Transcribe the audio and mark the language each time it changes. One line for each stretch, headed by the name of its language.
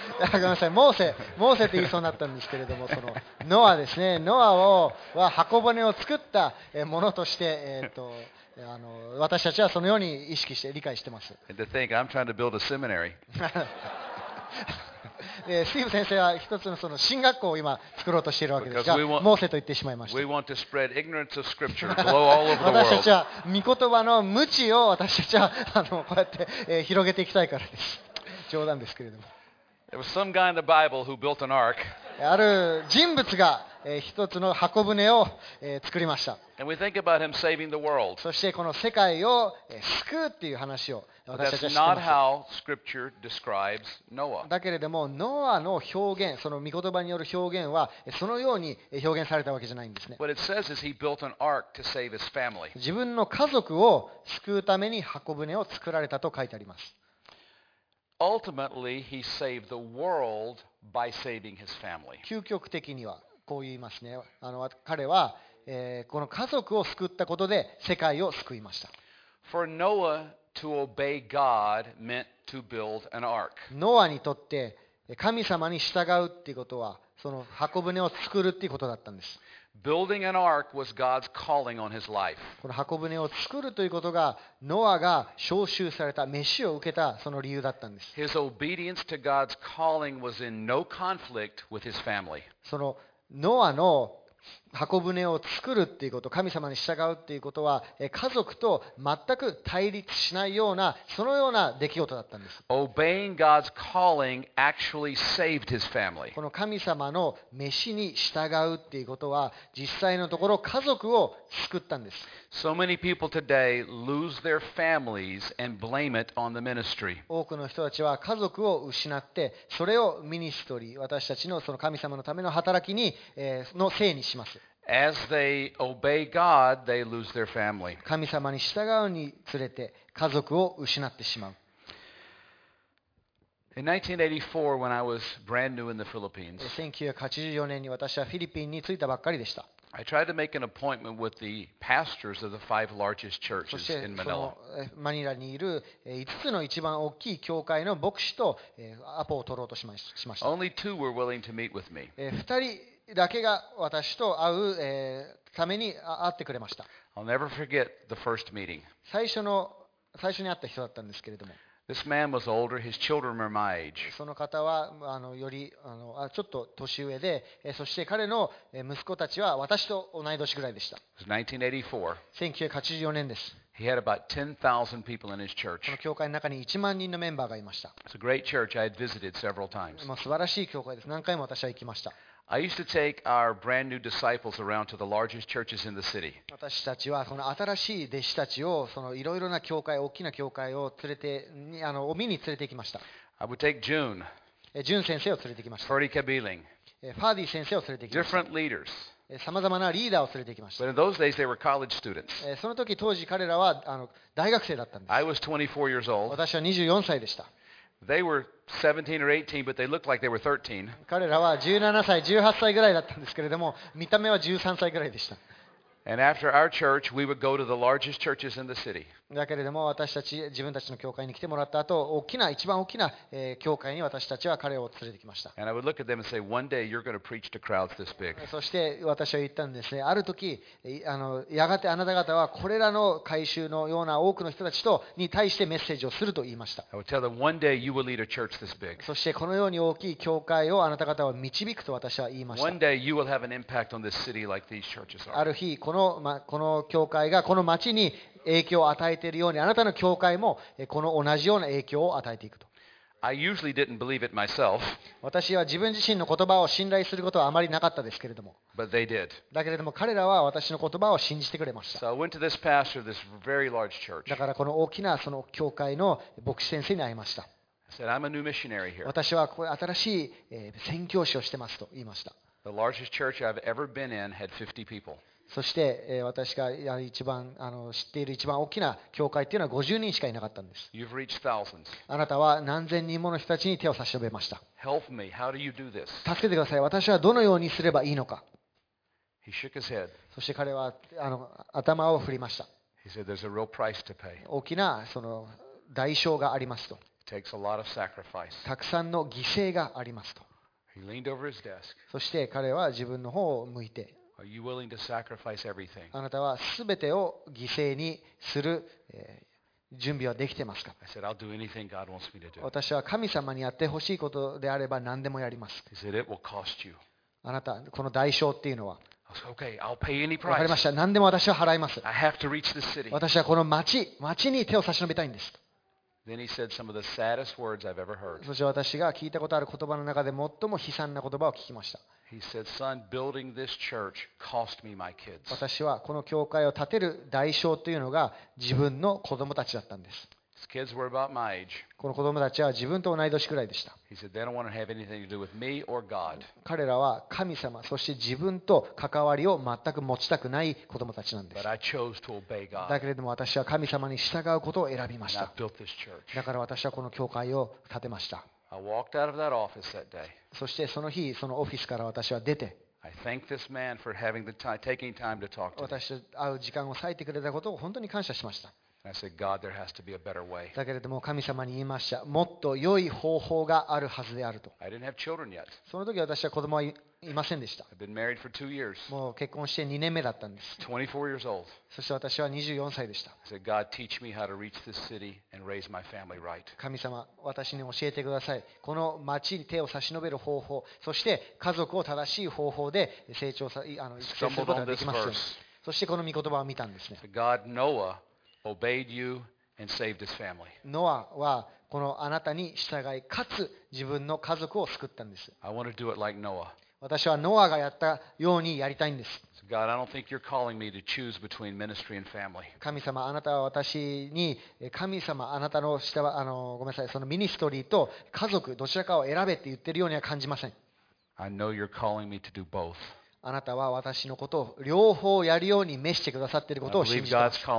Japanese: ごめんなさい、モーセ、モーセって言いそうになったんですけれども、そのノアですね。ノアをは箱骨を作ったものとして、あの私たちはそのように意識して理解してます。
English: To think I'm trying to build a seminary.
Japanese: でスティーブ先生は一つ の, その新学校を今作ろうとしているわけですが、モーセと言ってしまいました。私たちは御言葉の無知を私たちはあのこうやって、広げていきたいからです。冗談ですけれども。
English: There was some guy in the Bible who built an ark.
Japanese: ある人物が、一つの箱舟を、作りました。
English: And we think about him saving the world.
Japanese: そしてこの世界を、救うっていう話を私たちは知ってます。
English: That's not how Scripture describes Noah.
Japanese: だけれどもノアの表現、その御言葉による表現はそのように表現されたわけじゃないんですね。
English: What it says is he built an ark to save his family.
Japanese: 自分の家族を救うために箱舟を作られたと書いてあります。
English: Ultimately, he saved the world by saving his family.
Japanese: 究極的にはこう言いますね。あの彼は、この家族を救ったことで世界を救いました。
English: For Noah to obey God meant to build an ark.
Japanese: ノアにとって神様に従うっていうことはその箱舟を作るっていうことだったんです。
English: Building an ark was God's calling on his life.
Japanese: この箱舟を作るということがノアが召集された召しを受けたその理由だったんです。
English: His obedience to God's calling was in no conflict with his family.
Japanese: そのノアの箱舟を作るっていうこと、神様に従うっていうことは家族と全く対立しないようなそのような出来事だったんです。
English: Obeying God's calling actually saved his family.
Japanese: この神様の召しに従うっていうことは実際のところ家族を救ったんです。
English: So many people today lose their families and blame it on the ministry.
Japanese: 多くの人たちは家族を失ってそれをミニストリー、私たちのその神様のための働きに、のせいにします。
English: As they obey God, they lose their family.
Japanese: 神様に従うにつれて家族を失ってしまう。
English: In 1984, when I was brand new in the Philippines,
Japanese: 1984年に私はフィリピンに着いたばっかりでした。
English: I tried to make an appointment with the pastors of the five largest churches in Manila.
Japanese: マニラにいる5つの一番大きい教会の牧師とアポを取ろうとしました。
English: Only two were willing to meet with me.
Japanese: 2人だけが私と会う、ために会ってくれました。
English: I'll never forget the first meeting.
Japanese: 最初に会った人だったんですけれども。
English: This man was older. His children were my age.
Japanese: その方はあのよりあのちょっと年上で、そして彼の息子たちは私と同い年ぐらいでした。
English: It was 1984.
Japanese: 1984年です。
English: He had about 10,000 people in his church.
Japanese: この教会の中に1万人のメンバーがいました。
English: It's a great church. I had visited several times.
Japanese: もう素晴らしい教会です。何回も私は行きました。
English: I used to take our brand new disciples around to the largest churches in the city.
Japanese: 私たちはその新しい弟子たちをそのいろいろな教会、大きな教会を連れてあのお見に連れてきました。
English: I would take June.
Japanese: June 先生を連れてきました。
English: Ferdy Kabiling.
Japanese: Ferdy 先生を連れてきました。
English: Different leaders.
Japanese: さまざまなリーダーを連れてきました。
English: But in those days they were college students.
Japanese: その時当時彼らはあの大学生だったんです。
English: I was 24 years old.
Japanese: 私は24歳でした。
English: They were 17 or 18, but they looked like they were 13.
Japanese: 彼らは17歳、18歳ぐらいだったんですけれども、見た目は13歳ぐらいでした。
English: And after our church, we would go to the largest churches in the city.
Japanese: だけれども、私たち自分たちの教会に来てもらった後、大きな一番大きな、教会に私たちは彼を連れてきました。
English: And I would look at them and say, one day you're going to preach to crowds this big.
Japanese: そして私は言ったんですね、ある時、あのやがてあなた方はこれらの会衆のような多くの人たちとに対してメッセージをすると言いました。
English: I would tell them, one day you will lead a church this big.
Japanese: そしてこのように大きい教会をあなた方は導くと私は言いました。
English: One day you will have an impact on this city like these churches are.
Japanese: ある日、この教会がこの町に影響を与えているようにあなたの教会もこの同じような影響を与えていくと。
English: I usually didn't believe it myself.
Japanese: 私は自分自身の言葉を信頼することはあまりなかったですけれども。
English: But they did.
Japanese: だけれども彼らは私の言葉を信じてくれました。
English: So I went to this pastor, this very large church.
Japanese: だからこの大きなその教会の牧師先生に会いました。
English: I said, I'm a new missionary here.
Japanese: 私はここ新しい宣教師をしてますと言いました。
English: The largest church I've ever been in had 50 people.
Japanese: そして私が一番あの知っている一番大きな教会というのは50人しかいなかったんです。
English: You've reached thousands.
Japanese: あなたは何千人もの人たちに手を差し伸べました。
English: Help me. How do you do this?
Japanese: 助けてください。私はどのようにすればいいのか。
English: He He shook his head.
Japanese: そして彼は頭を振りました。
English: He said, "There's a real price to pay."
Japanese: 大きなその代償がありますと。
English: It takes a lot of sacrifice.
Japanese: たくさんの犠牲がありますと。
English: He leaned over his desk.
Japanese: そして彼は自分の方を向いて。
English: Are you willing to sacrifice everything?
Japanese: あなたはすべてを犠牲にする、準備はできてますか。
English: I said, "I'll do anything God wants me to do."
Japanese: 私は神様にやってほしいことであれば何でもやります。
English: He said, "It will cost you."
Japanese: あなたこの代償っていうのは。
English: Okay, I'll pay any price.
Japanese: 分かりました。何でも私は払います。
English: I have to reach this city.
Japanese: 私はこの町に手を差し伸べたいんです。
English: Then he said some of the saddest words I've ever heard.
Japanese: そして私が聞いたことある言葉の中で最も悲惨な言葉を聞きました。
English: He said, "Son, building this church cost me my kids."
Japanese: 私はこの教会を建てる代償というのが自分の子供たちだったんです。
English: His kids were about my age.
Japanese: この子供たちは自分と同い年くらいでした。
English: He said, "They don't want to have anything to do with me or God."
Japanese: 彼らは神様、そして自分と関わりを全く持ちたくない子供たちなんです。
English: But I chose to obey God.
Japanese: だけれども私は神様に従うことを選びました。
English: And I built this church.
Japanese: だから私はこの教会を建てました。
English: I walked out of that office that day.
Japanese: そしてその日、そのオフィスから私は出て、
English: I thank this man for having the time, taking time to talk to me.
Japanese: 私と会う時間を割いてくれたことを本当に感謝しました。
English: I said, God, there has to be a better way.
Japanese: だけれども神様に言いました。もっと良い方法があるはずであると。
English: I didn't have children yet.
Japanese: その時私は子供はいませんでした。
English: I've been married for 2 years.
Japanese: もう結婚して2年目だったんです。
English: 24 years old.
Japanese: そして私は24歳でした。
English: I said, God, teach me how to reach this city and raise my family right.
Japanese: 神様、私に教えてください。この町に手を差し伸べる方法、そして家族を正しい方法で成長さ、育成することができますように。そしてこの御言葉を見たんですね。
English: God, Noah. Obeyed you and saved his family.
Japanese: ノアはこのあなたに従いかつ自分の家族を救ったんです。
English: I want to do it like Noah.
Japanese: 私はノアがやったようにやりたいんです。
English: So、God, I don't think you're calling me to choose between ministry and family.
Japanese: 神様、あなたは私に神様、あなたの従わ、ごめんなさい、そのミニストリーと家族どちらかを選べって言ってるようには感じません。
English: I know you're calling me to do both.
Japanese: あなたは私のことを両方やるように召してくださっていることを信じています。